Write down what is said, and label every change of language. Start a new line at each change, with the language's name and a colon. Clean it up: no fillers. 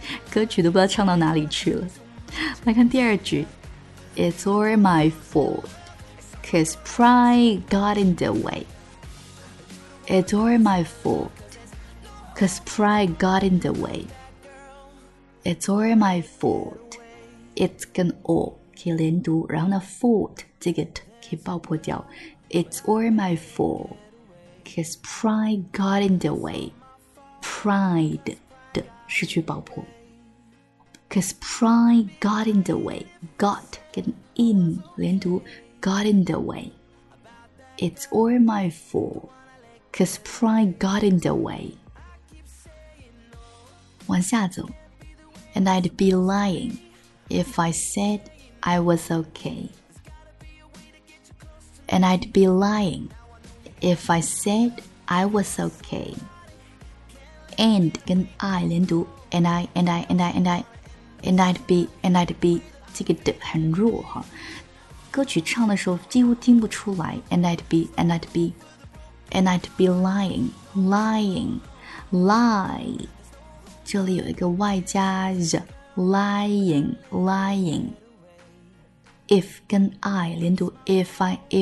Chinese: 歌曲都不知道唱到哪里去了。来看第二句。
English: It's all my fault, cause pride got in the way. It's all my fault, cause pride got in the way. It's all my fault.
Chinese: It's 跟 all 可以连读，然后呢 fault 这个 t 可以爆破掉。
English: It's all my fault. Cause pride got in the way.
Chinese: Pride 的失去爆破。
English: Cause pride got in the way. Got 跟 in
Chinese: 连读
English: got in the way. It's all my fault. Cause pride got in the way.
Chinese: 往下走。
English: And I'd be lying if I said I was okay. And I'd be lying. If I said I was okay. And 跟 I
Chinese: 连读
English: And I, and I, and I, and I, and I'd be, and I'd be,
Chinese: 这个的很弱哈。歌曲唱的时候几乎听不出来
English: And I'd be, and I'd be And I'd be lying, lying, lie
Chinese: 这里有一个
English: Y 加 Z Lying, lying If 跟 I
Chinese: 连读
English: If I